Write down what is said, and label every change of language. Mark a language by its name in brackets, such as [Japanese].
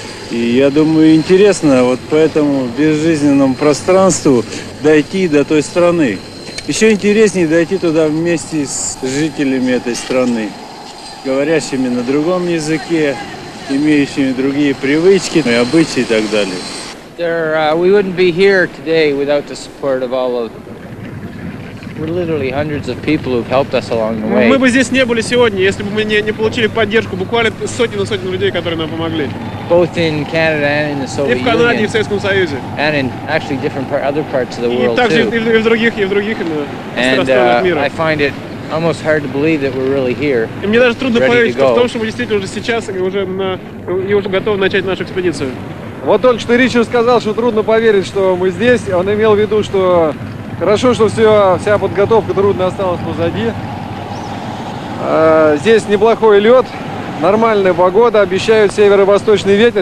[Russian] И я думаю, интересно вот по этому безжизненному пространству дойти до той страны. Еще интереснее дойти туда вместе с жителями этой страны, говорящими на другом языке, имеющими другие привычки, обычаи и так далее. [English] We wouldn't be here today without the support of all of them. We're literally hundreds of people who've helped us along the way. [Russian] Мы бы здесь не были сегодня, если бы мы не получили поддержку буквально сотен и сотен людей, которые нам помогли. [English] Both in Canada and in the Soviet Union. [Russian] И в Канаде, и в Советском Союзе. [English] And in actually different other parts of the world too. [Russian] И также и в других странах мира. [English] And I find it almost hard to believe that we're really here. [Russian] И мне даже трудно поверить в том, что мы действительно уже сейчас уже готовы начать нашу экспедицию. Вот только что Ричард сказал, что трудно поверить, что мы здесь. Он имел в виду, что хорошо, что вся подготовка трудная осталась позади. Здесь неплохой лед, нормальная погода, обещают северо-восточный ветер.